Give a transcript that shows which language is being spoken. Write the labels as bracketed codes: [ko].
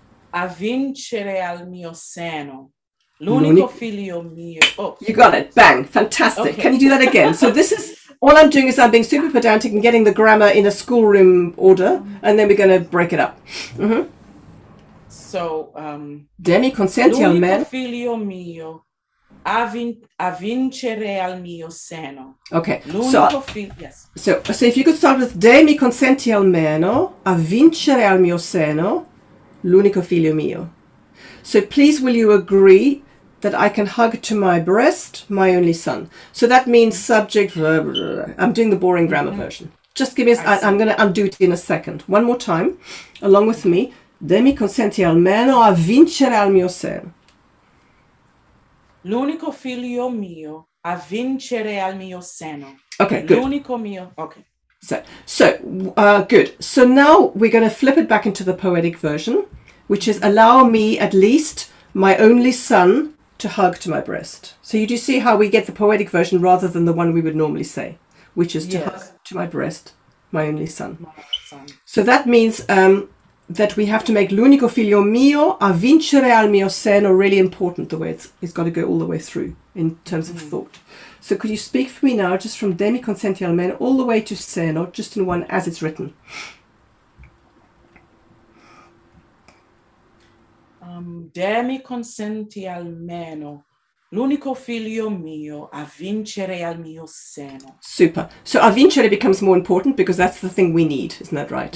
[it] A vincere al mio seno, l'unico figlio mio. Oh. [en] You got it. Bang. Fantastic. Okay. Can you do that again? So this is, all I'm doing is I'm being super pedantic and getting the grammar in a schoolroom order, and then we're going to break it up. Mm-hmm. So, [it] Demi consenti al mio. L'unico figlio mio, a vincere al mio seno. [en] Okay. [it] L'unico figlio, [en] yes. So if you could start with [it] Demi consenti al meno, a vincere al mio seno, l'unico figlio mio. [en] So please, will you agree that I can hug to my breast my only son? So that means subject, blah, blah, blah. I'm doing the boring grammar version. Just give me, I'm going to undo it in a second. One more time, along with me. [it] Demi consenti almeno a vincere al mio sé. L'unico figlio mio a vincere al mio seno. [en] Okay, good. [it] L'unico mio. Okay. [en] So good. So now we're going to flip it back into the poetic version, which is allow me at least my only son to hug to my breast. So you do see how we get the poetic version rather than the one we would normally say, which is to hug to my breast, my only son. So that means that we have to make [it] l'unico figlio mio a vincere al mio seno [en] really important, the way it's got to go all the way through in terms of thought. So could you speak for me now, just from [it] demi consenti almeno [en] all the way to seno, just in one as it's written? [it] Demi consenti almeno l'unico figlio mio a vincere al mio seno. [en] Super. So a vincere becomes more important because that's the thing we need, isn't that right?